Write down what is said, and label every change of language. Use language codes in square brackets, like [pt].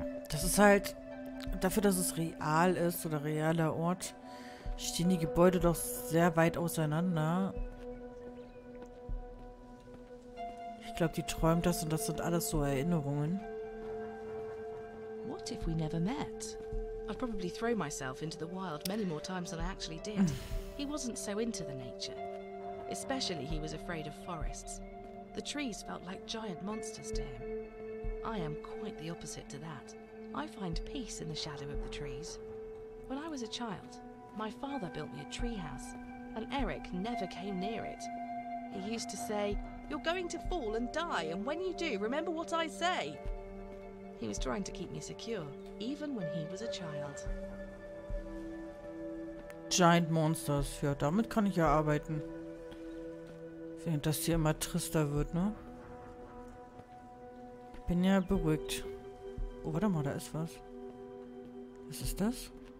[de] Das ist halt... Dafür, dass es real ist oder realer Ort, stehen die Gebäude doch sehr weit auseinander. Ich glaube, die träumt das und das sind alles so Erinnerungen. [en] What if we never met? I'd probably throw myself into the wild many more times than I actually did. He wasn't so into the nature. Especially he was afraid of forests. The trees felt like giant monsters to him. I am quite the opposite to that. I find peace in the shadow of the trees. When I was a child, my father built me a treehouse, and Eric never came near it. He used to say, "You're going to fall and die, and when you do, remember what I say." He was trying to keep me secure, even when he was a child. Giant monsters. [de] Ja, damit kann ich ja arbeiten. Während das hier immer trister wird, ne? Bin ja beruhigt. Oh, warte mal, da ist was. Was ist das?